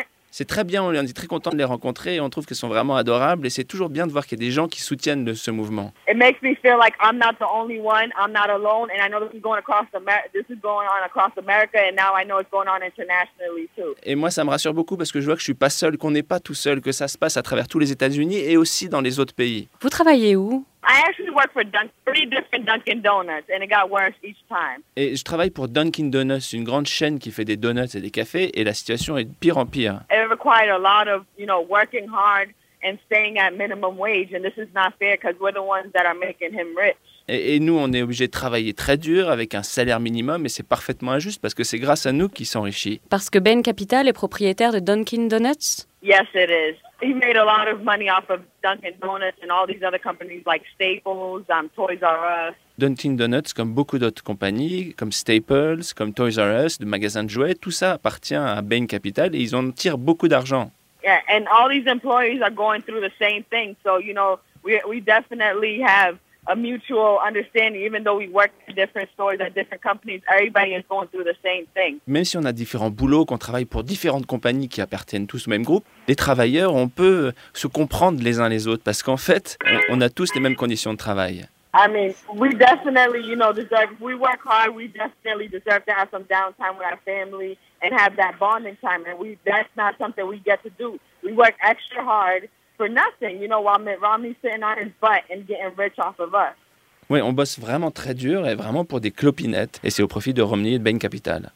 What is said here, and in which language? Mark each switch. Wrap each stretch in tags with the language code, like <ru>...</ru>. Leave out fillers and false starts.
<fr>C'est très bien, on est très content de les rencontrer et on trouve qu'elles sont vraiment adorables et c'est toujours bien de voir qu'il y a des gens qui soutiennent ce mouvement.</fr> <en>It makes me feel like I'm not the only one, I'm not alone, and I know this is going on across America and now I know it's going on internationally too.</en> <fr>Et moi ça me rassure beaucoup parce que je vois que je suis pas seul, qu'on n'est pas tout seul, que ça se passe à travers tous les États-Unis et aussi dans les autres pays. Vous travaillez où ?</fr> <en>I actually work for three different Dunkin' Donuts, and it got worse each time.</en> <fr>Et je travaille pour Dunkin' Donuts, une grande chaîne qui fait des donuts et des cafés, et la situation est de pire en pire.</fr> <en>It required a lot of, you know, working hard and staying at minimum wage, and this is not fair because we're the ones that are making him rich.</en> <fr>Et nous, on est obligés de travailler très dur avec un salaire minimum et c'est parfaitement injuste parce que c'est grâce à nous qu'il s'enrichit. Parce que Bain Capital est propriétaire de Dunkin' Donuts?</fr> <en>Yes, it is. He made a lot of money off of Dunkin' Donuts and all these other companies like Staples, Toys R Us.</en> <fr>Dunkin' Donuts, comme beaucoup d'autres compagnies, comme Staples, comme Toys R Us, de magasins de jouets, tout ça appartient à Bain Capital et ils en tirent beaucoup d'argent.</fr> <en>Yeah, and all these employees are going through the same thing. So, you know, we definitely have a mutual understanding, even though we work in different stores at different companies, everybody is going through the same thing.</en> <fr>Même si on a différents boulots, qu'on travaille pour différentes compagnies qui appartiennent tous au même groupe, les travailleurs, on peut se comprendre les uns les autres parce qu'en fait, on a tous les mêmes conditions de travail.</fr> <en>I mean, we definitely, you know, deserve, if we work hard, we definitely deserve to have some downtime with our family and have that bonding time. And that's not something we get to do. We work extra hard for nothing, you know, while Mitt Romney's sitting on his butt and getting rich off of us.</en> <fr>Oui, on bosse vraiment très dur et vraiment pour des clopinettes. Et c'est au profit de Romney et de Bain Capital.</fr>